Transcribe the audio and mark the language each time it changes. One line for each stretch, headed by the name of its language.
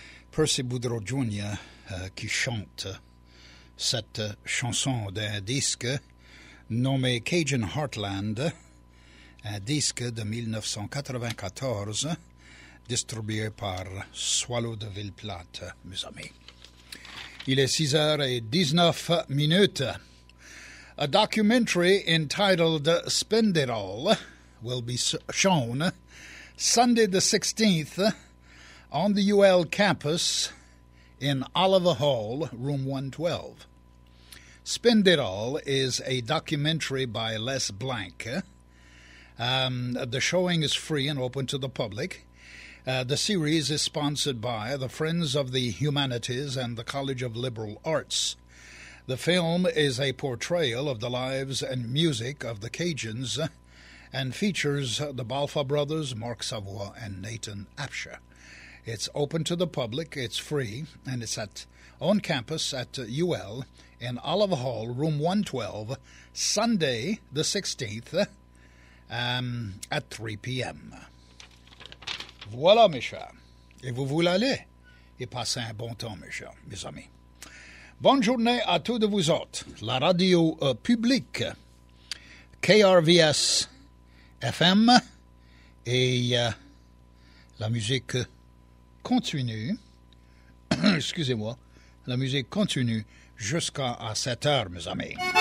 French: Percy Boudreau Jr. Qui chante cette chanson d'un disque nommé Cajun Heartland, un disque de 1994 distribué par Swallow de Villeplate, mes amis. Il est 6h19 minutes.
English: A documentary entitled Spend It All will be shown Sunday the 16th on the UL campus in Oliver Hall, room 112. Spend It All is a documentary by Les Blank. The showing is free and open to the public. The series is sponsored by the Friends of the Humanities and the College of Liberal Arts. The film is a portrayal of the lives and music of the Cajuns and features the Balfour brothers, Mark Savoy and Nathan Apsher. It's open to the public, it's free, and it's at on campus at UL in Olive Hall, room 112, Sunday the 16th at 3 p.m.
French: Voilà, mes chers. Et vous voulez aller? Et passez un bon temps, mes chers, mes amis. Bonne journée à tous de vous autres. La radio publique, KRVS FM, et la musique continue, excusez-moi, la musique continue jusqu'à 7 heures, mes amis.